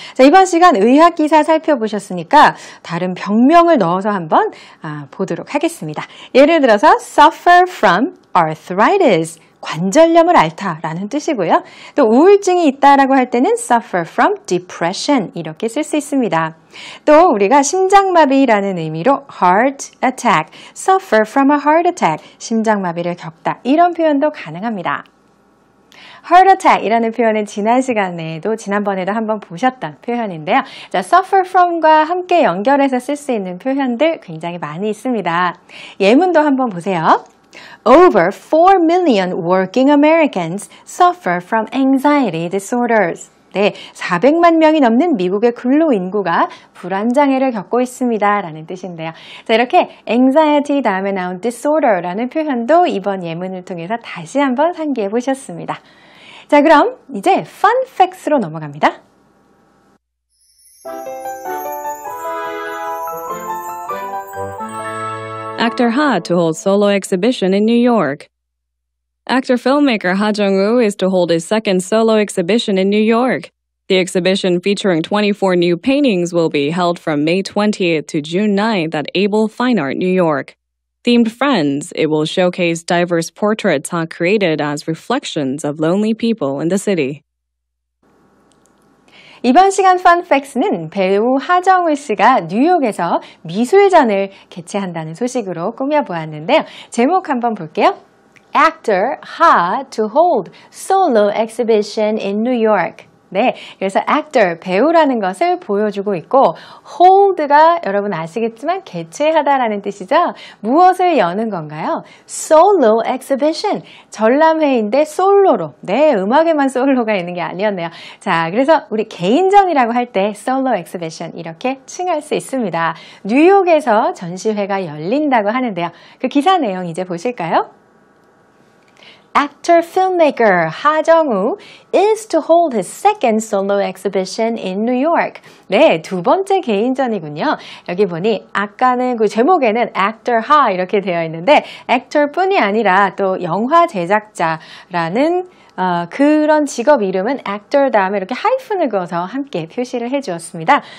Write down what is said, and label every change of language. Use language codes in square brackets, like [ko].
[ko] 자, 이번 시간 의학기사 살펴보셨으니까 다른 병명을 넣어서 한번 보도록 하겠습니다. 예를 들어서 [en] suffer from arthritis. [ko] 관절염을 앓다라는 뜻이고요. 또 우울증이 있다라고 할 때는 [en] suffer from depression [ko] 이렇게 쓸 수 있습니다. 또 우리가 심장마비라는 의미로 heart attack, [en] suffer from a heart attack, [ko] 심장마비를 겪다 이런 표현도 가능합니다. heart attack이라는 표현은 지난 시간에도 지난번에도 한번 보셨던 표현인데요. 자, suffer from과 함께 연결해서 쓸 수 있는 표현들 굉장히 많이 있습니다. 예문도 한번 보세요. [en] Over 4 million working Americans suffer from anxiety disorders. [ko] 네, 400만 명이 넘는 미국의 근로인구가 불안장애를 겪고 있습니다. 라는 뜻인데요. 자, 이렇게 anxiety 다음에 나온 disorder라는 표현도 이번 예문을 통해서 다시 한번 상기해 보셨습니다. 자, 그럼 이제 fun facts로 넘어갑니다. [en] Actor Ha to hold solo exhibition in New York. Actor-filmmaker Ha Jung-woo is to hold his second solo exhibition in New York. The exhibition featuring 24 new paintings will be held from May 20th to June 9th at Able Fine Art New York. Themed Friends, it will showcase diverse portraits Ha created as reflections of lonely people in the city. [ko] 이번 시간 Fun Facts는 배우 하정우 씨가 뉴욕에서 미술전을 개최한다는 소식으로 꾸며보았는데요. 제목 한번 볼게요. [en] Actor Ha to hold solo exhibition in New York. [ko] 네, 그래서 actor, 배우라는 것을 보여주고 있고 hold가 여러분 아시겠지만 개최하다라는 뜻이죠. 무엇을 여는 건가요? Solo exhibition, 전람회인데 솔로로. 네, 음악에만 솔로가 있는 게 아니었네요. 자, 그래서 우리 개인전이라고 할 때 solo exhibition 이렇게 칭할 수 있습니다. 뉴욕에서 전시회가 열린다고 하는데요. 그 기사 내용 이제 보실까요? [en] Actor filmmaker 하정우 is to hold his second solo exhibition in New York. [ko] 네, 두 번째 개인전이군요. 여기 보니 아까는 그 제목에는 actor 하 이렇게 되어 있는데 actor뿐이 아니라 또 영화 제작자라는 그런 직업 이름은 actor 다음에 이렇게 하이픈을 그어서 함께 표시를 해주었습니다.